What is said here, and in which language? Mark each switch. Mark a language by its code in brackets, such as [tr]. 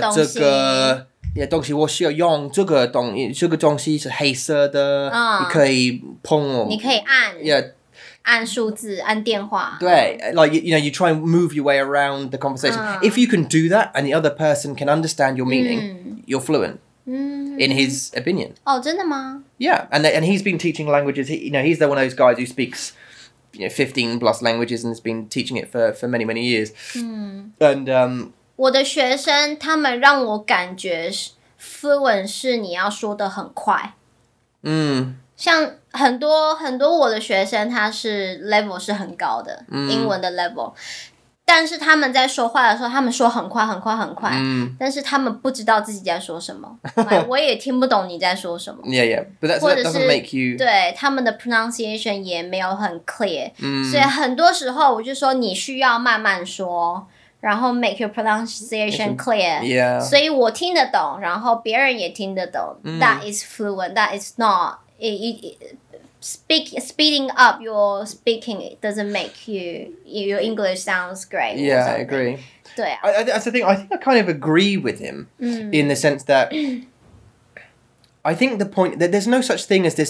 [zh] 东西，我需要用这个东西，这个东西是黑色的，你可以碰，你可以按，按数字，按电话。 [en] 对, like, you know, you try and move your way around the conversation. If you can do that and the other person can understand your meaning, you're fluent. In his opinion. [zh] Oh, 真的吗? [en] Yeah, and he's been teaching languages. He's one of those guys who speaks, 15 plus languages and has been teaching it for many, many years. And [zh] 我的学生他们让我感觉 fluent 是你要说得很快。像很多很多我的学生他是 level 是很高的，英文的 level。但是他们在说话的时候，他们说很快很快很快，嗯，但是他们不知道自己在说什么。 like, 我也听不懂你在说什么。 [en] Yeah, yeah, but that doesn't make you. [zh] 对，他们的 pronunciation 也没有很 clear，嗯，所以很多时候我就说你需要慢慢说，然后 [en] make your pronunciation clear. Yeah. [zh] 所以我听得懂，然后别人也听得懂。嗯、 [en] that is fluent. That is not. Speeding up your speaking doesn't make your English sounds great. Yeah, I agree. [zh] 对啊。 [en] That's the thing. I think I kind of agree with him、 mm. in the sense that I think the point that there's no such thing as this.